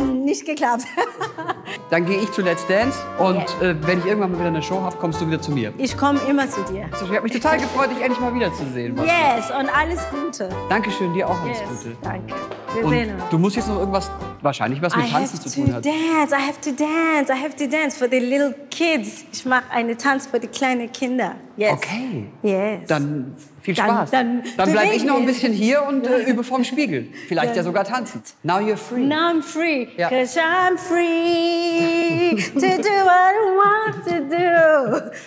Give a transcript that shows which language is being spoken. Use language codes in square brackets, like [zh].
[de] Nicht geklappt. Dann gehe ich zu Let's Dance und wenn ich irgendwann mal wieder eine Show habe, kommst du wieder zu mir. Ich komme immer zu dir. So, ich habe mich total gefreut, dich endlich mal wiederzusehen. Yes, und alles Gute. Dankeschön, dir auch alles, [en] yes, [de] Gute. Danke. Und du musst jetzt noch irgendwas, wahrscheinlich was mit Tanzen zu tun haben. [en] I have to dance for the little kids. [de] Ich mache einen Tanz für die kleinen Kinder. [en] Yes. Okay. Yes. [de] Dann viel Spaß. Dann bleibe ich noch ein bisschen hier und übe vorm Spiegel. Vielleicht ja sogar tanzen. [en] Now you're free. Now I'm free. Ja. 'Cause I'm free to do what I want to do.